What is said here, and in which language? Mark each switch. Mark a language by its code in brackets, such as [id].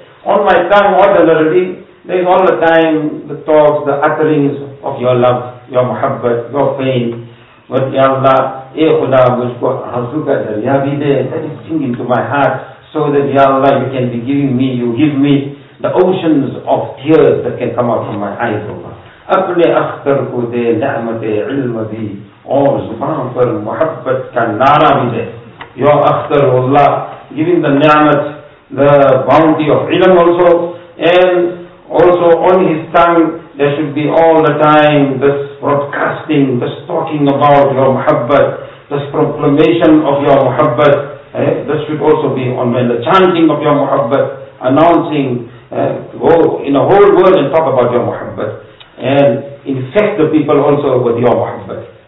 [en] On my tongue all the melody, then all the time the talks, the utterings of your love, your محبت, your pain. But ya Allah, [ur] اے خدا مجھ کو حضور کا دریا بھی دے, [en] that is singing to my heart, so that ya Allah you can be giving me, you give me the oceans of tears that can come out from my eyes. [ur] اپنے اختر کو دے نعمت علم دی, اور زبان پر محبت کا نعرہ بھی دے. [en] You Akhtar Allah giving the نعمت, the bounty of علم also, and also on his tongue there should be all the time this broadcasting, this talking about your محبت, this proclamation of your محبت, this should also be on the chanting of your محبت, announcing in a whole world and talk about your محبت, and infect the people also with your محبت.